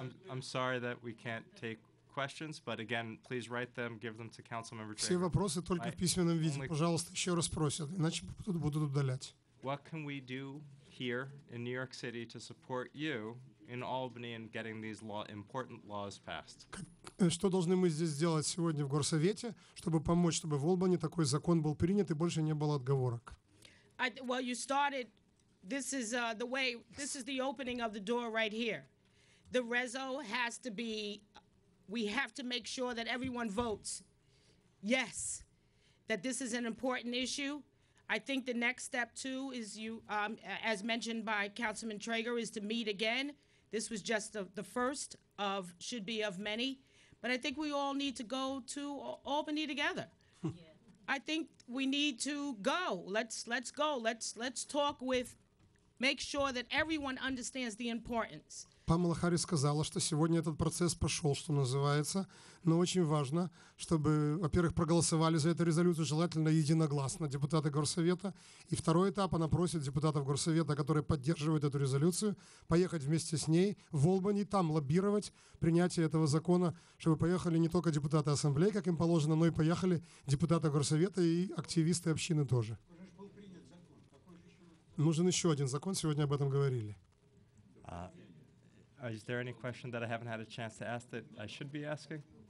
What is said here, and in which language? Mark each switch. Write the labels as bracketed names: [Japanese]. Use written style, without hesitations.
[English] I'm sorry that we can't take questions, but again, please write them, give them to Council Member. [Russian] Все вопросы только в письменном виде, пожалуйста, еще раз просят, иначе тут будут удалять. [English] What can we do here in New York City to support you in Albany in getting these important laws passed? [Russian] Что должны мы здесь сделать сегодня в Горсовете, чтобы помочь, чтобы в Олбани такой закон был принят и больше не было отговорок? [English] Well, you started. This is the way. This is the opening of the door right here. The rezo has to be. We have to make sure that everyone votes yes, that this is an important issue. I think the next step too is you, as mentioned by Councilman Traeger, is to meet again. This was just the first of should be of many. But I think we all need to go to Albany together. Yeah. I think we need to go. Let's go. Let's talk with make sure that everyone understands the importance. [Russian] Памела Харрис сказала, что сегодня этот процесс пошел, что называется, но очень важно, чтобы, во-первых, проголосовали за эту резолюцию, желательно единогласно, депутаты Горсовета. И второй этап, она просит депутатов Горсовета, которые поддерживают эту резолюцию, поехать вместе с ней в Олбани, там лоббировать принятие этого закона, чтобы поехали не только депутаты Ассамблеи, как им положено, но и поехали депутаты Горсовета и активисты общины тоже. Нужен еще один закон, сегодня об этом говорили. [English] Is there any question that I haven't had a chance to ask that I should be asking?